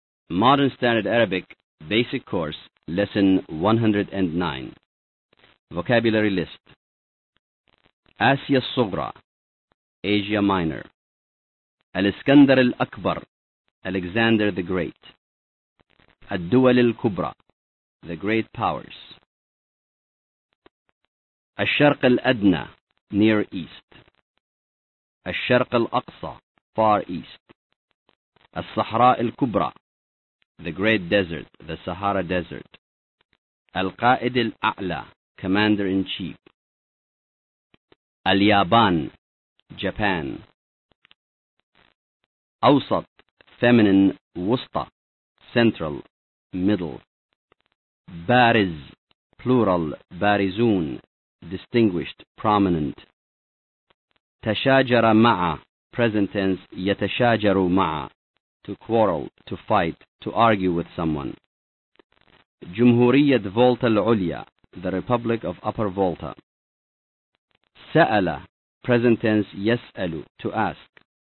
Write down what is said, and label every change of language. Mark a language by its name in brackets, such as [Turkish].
[English] Modern Standard Arabic Basic Course Lesson 109. Vocabulary List. [Arabic] آسيا الصغرى، [English] Asia Minor. الإسكندر الأكبر، Alexander the Great. [Arabic] الدول الكبرى، [English] The Great Powers. [Arabic] الشرق الأدنى، [English] Near East. [Arabic] الشرق الأقصى، [English] Far East. [Arabic] الصحراء الكبرى، [English] The Great Desert, The Sahara Desert. [Arabic] القائد الأعلى، [English] Commander in Chief. [Arabic] اليابان، Japan. أوسط، [English] Feminine، [Arabic] وسطى، [English] Central، Middle. [Arabic] بارز [English] plural [Arabic] بارزون [English] distinguished prominent [Arabic] تشاجر مع [English] present tense [Arabic] يتشاجر مع [English] to quarrel to fight to argue with someone [Arabic] جمهورية فولتا العليا [English] the republic of upper volta [Arabic] سأل [English] present tense [Arabic] يسأل [English] to ask